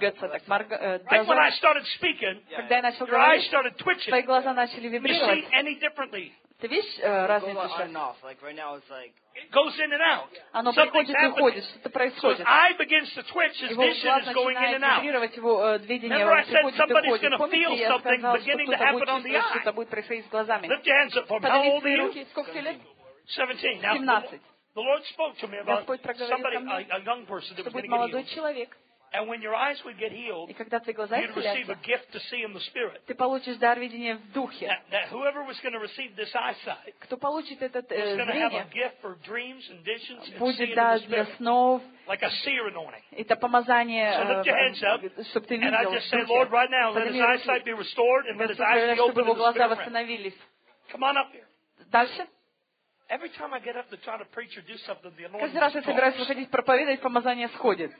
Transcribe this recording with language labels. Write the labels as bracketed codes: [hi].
[en] Like when I started speaking, your eyes started twitching. [ru] Твои глаза начали вибрировать. [en] You see any differently? [ru] Ты видишь разницу сейчас? [en] Like right now it's like. It goes in and out. [ru] Оно приходит и уходит. Что-то происходит. [en] So his eye begins to twitch. His vision is going in and out. [ru] Его глаз начинает вибрировать, его видение приходит и уходит. [en] Remember, I said somebody's going to feel something beginning to happen on the eye. [ru] Что-то будет происходить с глазами. [en] Lift your hands up for me. How old are you? 17. 17. The Lord spoke to me about somebody, a young person that was going to get healed. [ru] Человек. [en] And when your eyes would get healed, you'd receive a gift to see in the spirit. [ru] Ты получишь дар видения в духе. [en] That whoever was going to receive this eyesight, [ru] кто получит этот [en] зрение, was going to have a gift for dreams and visions and see in the spirit. [ru] Будет дар для снов. [en] Like a seer anointing. [ru] Это помазание. [en] So lift your hands up. [ru] Чтоб ты видел. [en] And I just say, Lord, right now, let his eyesight be restored and let his eyes be opened. [ru] Чтобы его глаза восстановились. [en] Come on up here. [ru] Дальше. [en] Every time I get up to try to preach or do something, the anointing. [ru] Каждый раз я собираюсь выходить проповедовать, помазание сходит.